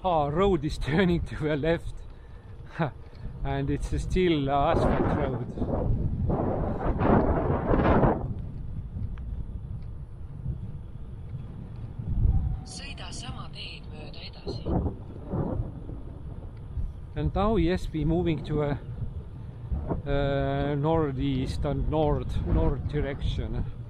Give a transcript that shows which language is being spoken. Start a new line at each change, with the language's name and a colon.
English: Road is turning to a left and it's a still asphalt road.
Estonian: Sõida sama teed mööda edasi.
English: And now yes, we're moving to a northeast and north direction.